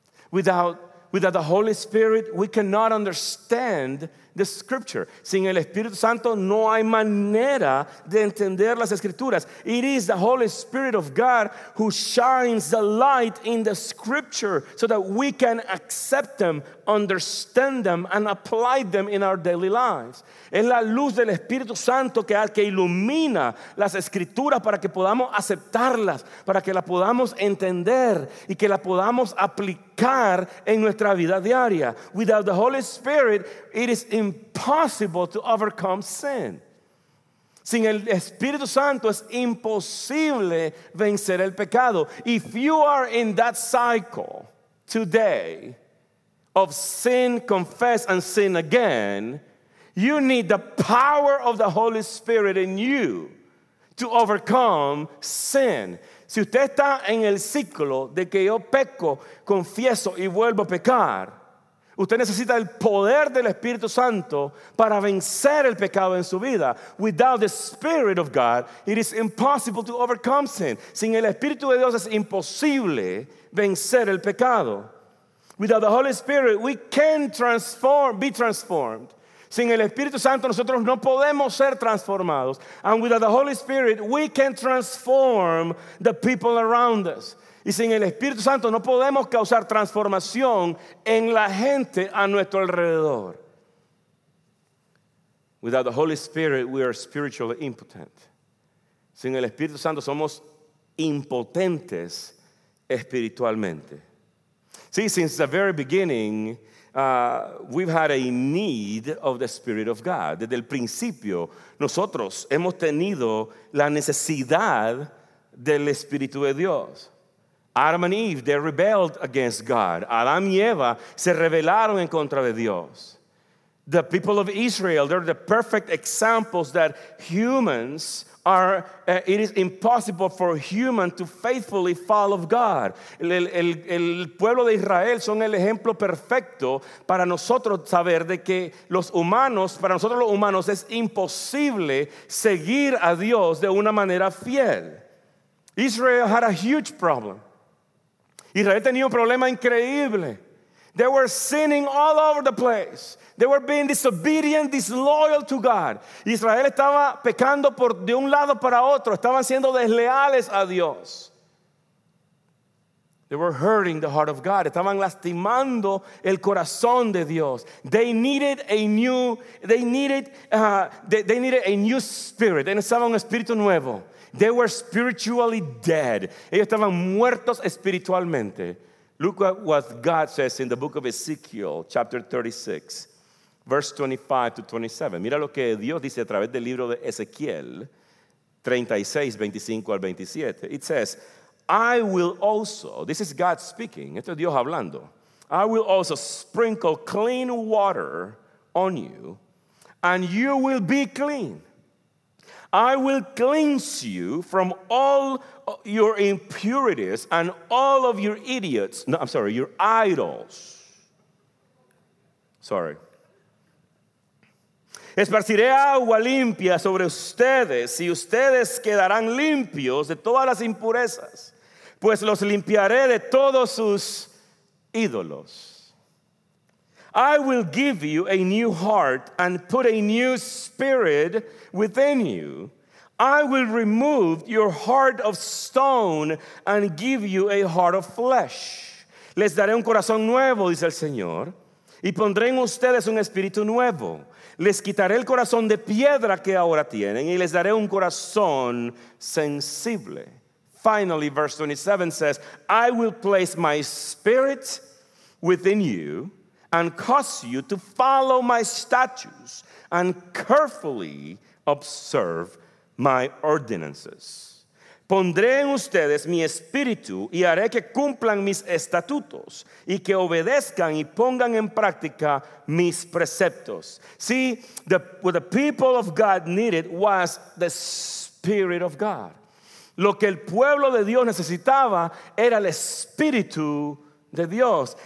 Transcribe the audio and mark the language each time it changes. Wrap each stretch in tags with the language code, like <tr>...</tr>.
<en>Without the Holy Spirit, we cannot understand the Scripture.</en> <es>Sin el Espíritu Santo, no hay manera de entender las Escrituras.</es> <en>It is the Holy Spirit of God who shines the light in the Scripture so that we can accept them, understand them, and apply them in our daily lives.</en> <es>Es la luz del Espíritu Santo que ilumina las Escrituras para que podamos aceptarlas, para que las podamos entender y que las podamos aplicar en nuestra vida diaria.</es> <en>Without the Holy Spirit, it is impossible to overcome sin.</en> <es>Sin el Espíritu Santo es imposible vencer el pecado.</es> <en>If you are in that cycle today of sin, confess, and sin again, you need the power of the Holy Spirit in you to overcome sin.</en> <es>Si usted está en el ciclo de que yo peco, confieso y vuelvo a pecar, usted necesita el poder del Espíritu Santo para vencer el pecado en su vida.</es> <en>Without the Spirit of God, it is impossible to overcome sin.</en> <es>Sin el Espíritu de Dios es imposible vencer el pecado.</es> <en>Without the Holy Spirit, we can be transformed.</en> <es>Sin el Espíritu Santo, nosotros no podemos ser transformados.</es> <en>And without the Holy Spirit, we can transform the people around us.</en> <es>Y sin el Espíritu Santo no podemos causar transformación en la gente a nuestro alrededor.</es> <en>Without the Holy Spirit, we are spiritually impotent.</en> <es>Sin el Espíritu Santo somos impotentes espiritualmente.</es> <en>See, since the very beginning, we've had a need of the Spirit of God.</en> <es>Desde el principio, nosotros hemos tenido la necesidad del Espíritu de Dios.</es> <en>Adam and Eve, they rebelled against God.</en> <es>Adam y Eva se rebelaron en contra de Dios.</es> <en>The people of Israel, they're the perfect examples that humans are, it is impossible for a human to faithfully follow God.</en> <es>El pueblo de Israel son el ejemplo perfecto para nosotros saber de que los humanos, para nosotros los humanos es imposible seguir a Dios de una manera fiel.</es> <en>Israel had a huge problem.</en> <es>Israel tenía un problema increíble.</es> <en>They were sinning all over the place. They were being disobedient, disloyal to God.</en> <es>Israel estaba pecando por de un lado para otro. Estaban siendo desleales a Dios.</es> <en>They were hurting the heart of God.</en> <es>Estaban lastimando el corazón de Dios.</es> <en>They needed a new spirit. They</en> <es>necesitaban un espíritu nuevo.</es> <en>They were spiritually dead.</en> <es>Ellos estaban muertos espiritualmente.</es> <en>Look at what God says in the book of Ezekiel, chapter 36, verse 25 to 27.</en> <es>Mira lo que Dios dice a través del libro de Ezequiel, 36, 25 al 27.</es> <en>It says, I will also, this is God speaking,</en> <es>esto es Dios hablando.</es> <en>I will also sprinkle clean water on you, and you will be clean. I will cleanse you from all your impurities and all of your idiots. No, I'm sorry, your idols. Sorry.</en> <es>Esparciré agua limpia sobre ustedes y ustedes quedarán limpios de todas las impurezas, pues los limpiaré de todos sus ídolos.</es> <en>I will give you a new heart and put a new spirit within you. I will remove your heart of stone and give you a heart of flesh.</en> <es>Les daré un corazón nuevo, dice el Señor, y pondré en ustedes un espíritu nuevo. Les quitaré el corazón de piedra que ahora tienen y les daré un corazón sensible.</es> <en>Finally, verse 27 says, I will place my spirit within you and cause you to follow my statutes and carefully observe my ordinances.</en> <es>Pondré en ustedes mi espíritu y haré que cumplan mis estatutos y que obedezcan y pongan en práctica mis preceptos.</es> <en>See, what the people of God needed was the Spirit of God.</en> <es>Lo que el pueblo de Dios necesitaba era el Espíritu de Dios.</es>